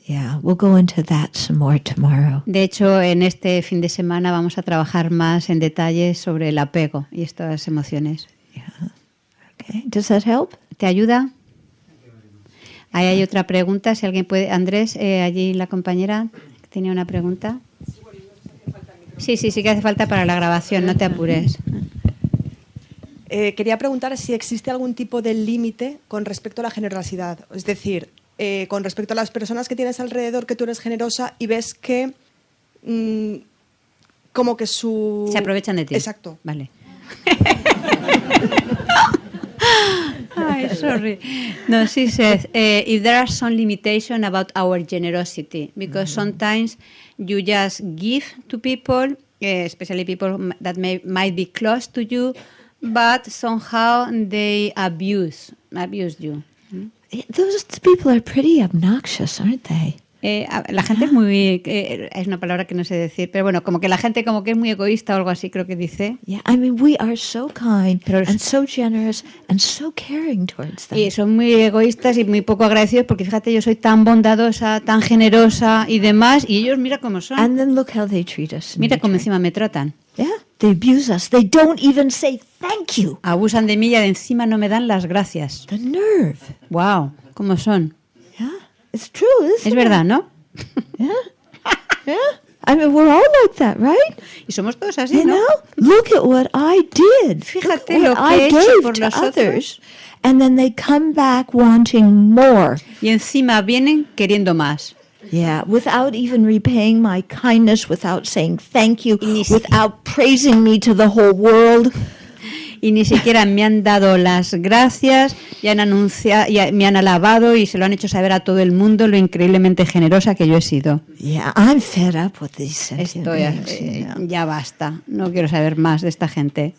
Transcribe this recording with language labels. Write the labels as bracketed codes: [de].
[en] Yeah, we'll go into that some more tomorrow. [es] De hecho, en este fin de semana vamos a trabajar más en detalle sobre el apego y estas emociones. [en] Yeah. Okay. Does that help? [es] ¿Te ayuda? Ahí hay otra pregunta, si alguien puede. Andrés, allí la compañera tenía una pregunta. Sí, sí, sí que hace falta para la grabación, no te apures. Quería preguntar si existe algún tipo de límite con respecto a la generosidad. Es decir, con respecto a las personas que tienes alrededor, que tú eres generosa y ves que como que su... Se aprovechan de ti. Exacto. Vale. [en] Ay, sorry. No, she says, if there are some limitations about our generosity, because sometimes you just give to people, especially people that might be close to you, but somehow they abuse you. Those people are pretty obnoxious, aren't they? [es] La gente es muy... es una palabra que no sé decir, pero bueno, como que la gente como que es muy egoísta o algo así, creo que dice. [en] Yeah, I mean, we are so kind and so generous and so caring towards them. [es] Y son muy egoístas y muy poco agradecidos porque, fíjate, yo soy tan bondadosa, tan generosa y demás, y ellos mira cómo son. [en] And then look how they treat us. [es] Mira cómo encima me tratan. [en] Yeah, they abuse us. They don't even say thank you. [es] Abusan de mí y encima no me dan las gracias. [en] The nerve. [es] Wow, cómo son. [en] It's true, isn't it? [es] Es verdad, ¿no? [en] Yeah. I mean, we're all like that, right? [es] Y somos todos así, [en] you [es] ¿no? [en] Know? Look at what I did. [es] Fíjate lo que he hecho por los otros. [en] And then they come back wanting more. [es] Y encima vienen queriendo más. [en] Yeah, without even repaying my kindness, without saying thank you, without praising me to the whole world. [es] Y ni siquiera me han dado las gracias y han anunciado y me han alabado y se lo han hecho saber a todo el mundo lo increíblemente generosa que yo he sido. [en] Yeah, I'm fed up with these sentient beings. [es] Estoy, ya basta, no quiero saber más de esta gente.